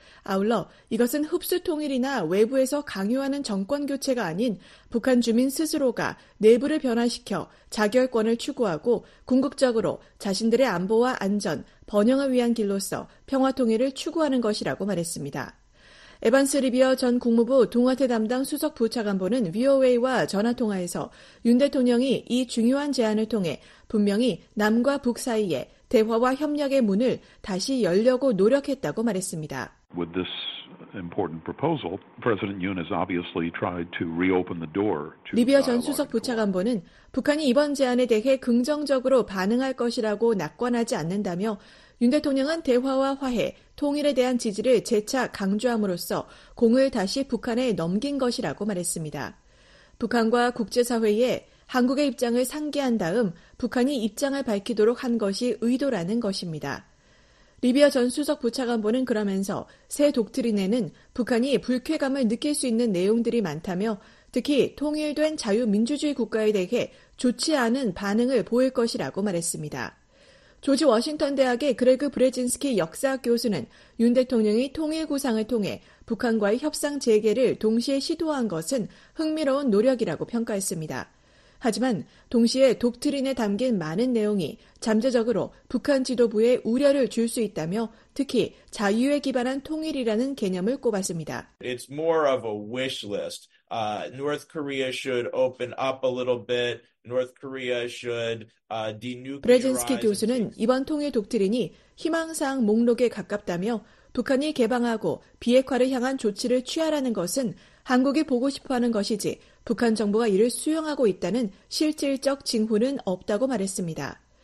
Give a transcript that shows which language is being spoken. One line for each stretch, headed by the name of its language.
Korean: 아울러 이것은 흡수통일이나 외부에서 강요하는 정권교체가 아닌 북한 주민 스스로가 내부를 변화시켜 자결권을 추구하고 궁극적으로 자신들의 안보와 안전, 번영을 위한 길로서 평화통일을 추구하는 것이라고 말했습니다. 에반스 리비어 전 국무부 동아태 담당 수석 부차관보는 VOA와 전화통화에서 윤 대통령이 이 중요한 제안을 통해 분명히 남과 북 사이에 대화와 협력의 문을 다시 열려고 노력했다고 말했습니다.
English: With this important proposal, President Yoon has obviously tried to reopen the door to
Korean: 리비어 전 수석 부차관보는 북한이 이번 제안에 대해 긍정적으로 반응할 것이라고 낙관하지 않는다며 윤 대통령은 대화와 화해, 통일에 대한 지지를 재차 강조함으로써 공을 다시 북한에 넘긴 것이라고 말했습니다. 북한과 국제사회에 한국의 입장을 상기한 다음 북한이 입장을 밝히도록 한 것이 의도라는 것입니다. 리비아 전 수석 부차관보는 그러면서 새 독트린에는 북한이 불쾌감을 느낄 수 있는 내용들이 많다며 특히 통일된 자유민주주의 국가에 대해 좋지 않은 반응을 보일 것이라고 말했습니다. 조지 워싱턴 대학의 그레그 브레진스키 역사학 교수는 윤 대통령이 통일 구상을 통해 북한과의 협상 재개를 동시에 시도한 것은 흥미로운 노력이라고 평가했습니다. 하지만 동시에 독트린에 담긴 많은 내용이 잠재적으로 북한 지도부에 우려를 줄 수 있다며 특히 자유에 기반한 통일이라는 개념을 꼽았습니다.
English: It's more of a wish list. North Korea should open up a little bit. North Korea should denuclearize.
Korean: 브레진스키 교수는 이번 통일 독트린이 희망사항 목록에 가깝다며 북한이 개방하고 비핵화를 향한 조치를 취하라는 것은 한국이 보고 싶어하는 것이지 북한 정부가 이를 수용하고 있다는 실질적 징후는 없다고 말했습니다.